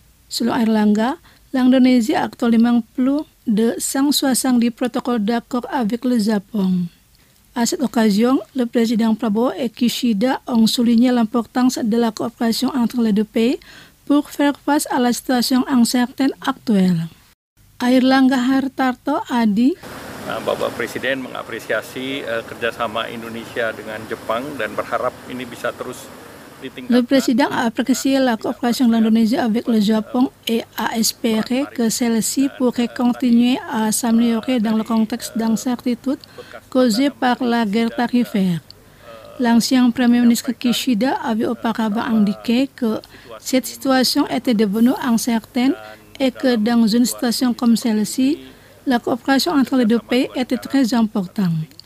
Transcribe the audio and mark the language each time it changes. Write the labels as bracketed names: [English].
[French] Selon Erlangga, l'Indonésie a actuellement plus de 170 protocoles d'accord avec le Japon. À cette occasion, le président Prabowo et Kishida ont souligné l'importance de la coopération entre les deux pays pour faire face à la situation incertaine actuelle. Airlangga Hartarto a dit: [Indonesian] Bapak Presiden mengapresiasi kerjasama Indonesia dengan Jepang dan berharap ini bisa terus ditingkatkan. [French] Le président a apprécié la coopération de l'Indonésie avec le Japon et a espéré que celle-ci pourrait continuer à s'améliorer dans le contexte d'incertitude causée par la guerre tarifaire. L'ancien premier ministre Kishida avait auparavant indiqué que cette situation était devenue incertaine et que dans une situation comme celle-ci, la coopération entre les deux pays était très importante.